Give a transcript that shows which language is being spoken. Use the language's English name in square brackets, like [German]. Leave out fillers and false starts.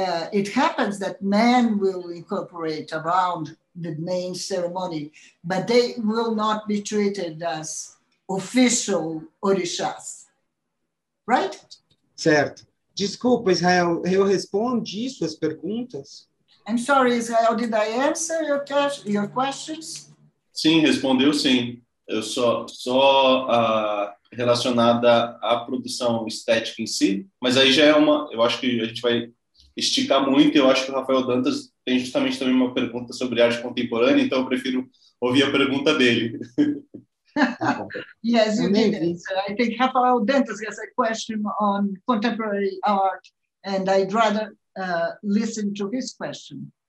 [English] It happens that men will incorporate around the main ceremony, but they will not be treated as official orixás, right? [Portuguese] Certo. Desculpa, Israel, eu respondi suas perguntas? [English] I'm sorry, Israel, did I answer your questions? [Portuguese] Sim, respondeu sim. Eu só relacionada à produção estética em si, mas aí já é uma, eu acho que a gente vai esticar muito, eu acho que o Rafael Dantas tem justamente também uma pergunta sobre arte contemporânea, então eu prefiro ouvir a pergunta dele. [English] Yes, you did. I think Rafael Dantas has a question on contemporary art, and I'd rather listen to his question.